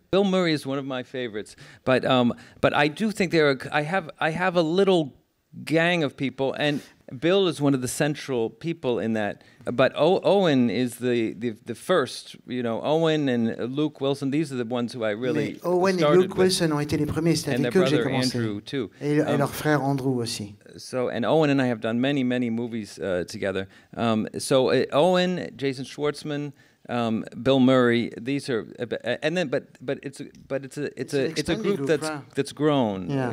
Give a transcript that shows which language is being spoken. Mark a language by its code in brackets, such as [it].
[en] Bill Murray is one of my favorites, but I do think I have a little gang of people, and Bill is one of the central people in that. But Owen is the first, you know. Owen and Luke Wilson, these are the ones who I really started. [fr] Owen et Luke Wilson ont été les premiers, c'est avec eux que j'ai commencé. [en] And their brother Andrew too. [fr] Et leur frère Andrew aussi. [en] So, and Owen and I have done many, many movies together. Owen, Jason Schwartzman, Bill Murray, these are, and then, but it's a group that's grown.